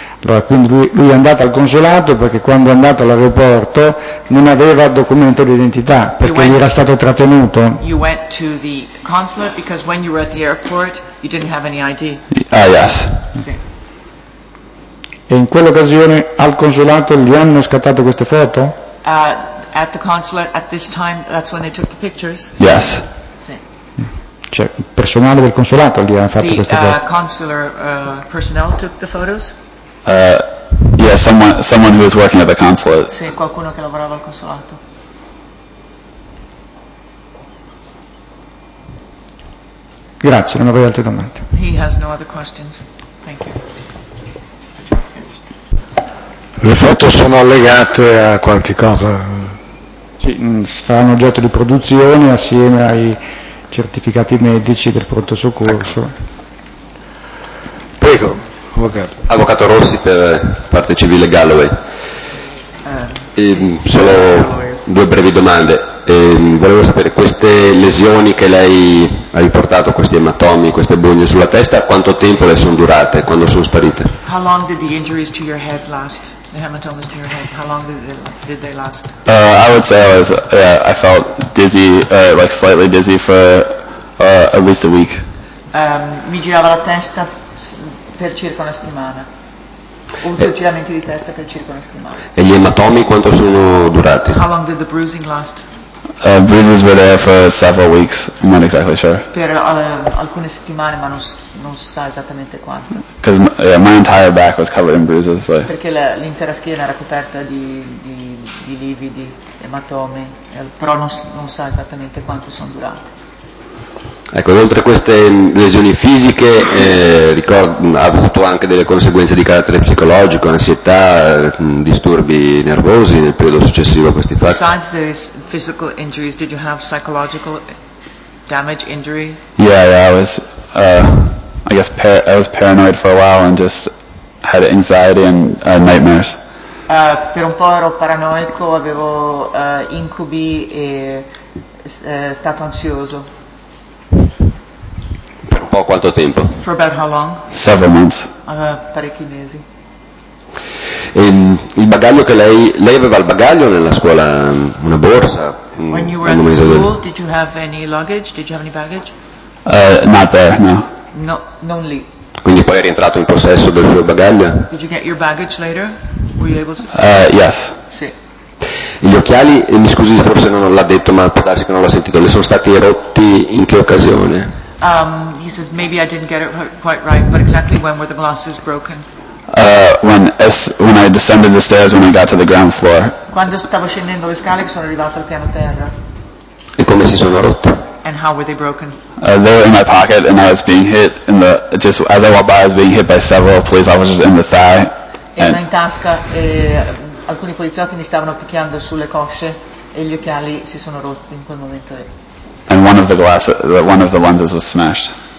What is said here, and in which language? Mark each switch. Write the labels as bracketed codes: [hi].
[it] Allora, quindi lui è andato al consolato perché quando è andato all'aeroporto non aveva documento di identità perché gli era stato trattenuto. [en] You went to the consulate because when you were at the airport you didn't have any ID. Yes. [it] Sì. E in quell'occasione al consolato gli hanno scattato queste foto? [en] At the consulate, at this time, that's when they took the pictures. Yes. [it] Sì. Cioè, il personale del consolato gli ha fatto [en] the, [it] queste foto? [en] The consular personnel took the photos? Yes, someone who was working at the consulate. [it] Sì, qualcuno che lavorava al consolato. Grazie, non avrei altre domande. [en] He has no other questions. Thank you. [it] Le foto sono legate a qualche cosa? Sì, saranno oggetto di produzione assieme ai certificati medici del pronto soccorso. Ecco. Prego, avvocato. Avvocato Rossi per parte civile Galloway. Sono due brevi domande. Volevo sapere, queste lesioni che lei ha riportato, questi ematomi, queste bugne sulla testa, quanto tempo le sono durate, quando sono sparite? [en] How long did the injuries to your head last? The hematomas in your head, how long did they last? I would say I felt dizzy, like slightly dizzy for at least a week. [it] Mi girava la testa per circa una settimana. Ho giramenti di testa per circa una settimana. E gli ematomi quanto sono durati? [en] How long did the bruising last? Bruises were there for several weeks, I'm not exactly sure. [it] Per alcune settimane, ma non sa esattamente quanto. [en] Because my entire back was covered in bruises. So. [it] Perché l'intera schiena era coperta di lividi, ematomi, però non sa esattamente quanto sono durate. Ecco, oltre a queste lesioni fisiche, ha avuto anche delle conseguenze di carattere psicologico, ansietà, disturbi nervosi nel periodo successivo a questi fatti? [en] Besides these physical injuries, did you have psychological damage injury? Yeah, I was, I guess I was paranoid for a while and just had anxiety and nightmares. [it] Per un po' ero paranoico, avevo incubi e stato ansioso. Per un po' quanto tempo? [en] For about how long? Several months. [it] Parecchi mesi. E il bagaglio che lei aveva il bagaglio nella scuola, una borsa? [en] When you were at the school, did you have any luggage? Did you have any baggage? Not there, no. [it] No, non lì. Quindi poi è rientrato in possesso del suo bagaglio? [en] Did you get your baggage later? Were you able to? Yes. [it] Sì. Gli occhiali, mi scusi forse non l'ha detto, ma può darsi che non l'ha sentito, le sono stati rotti in che occasione? [en] He says maybe I didn't get it quite right, but exactly when were the glasses broken? When I descended the stairs, when I got to the ground floor. [it] Quando stavo scendendo le scale, sono arrivato al piano terra. E come si sono rotte? [en] And how were they broken? They were in my pocket, and I was being hit in the, just as I walked by, I was being hit by several police officers in the thigh. [it] And in tasca, alcuni poliziotti mi stavano picchiando sulle cosce e gli occhiali si sono rotti in quel momento. [en] And one of the glasses, one of the lenses was smashed.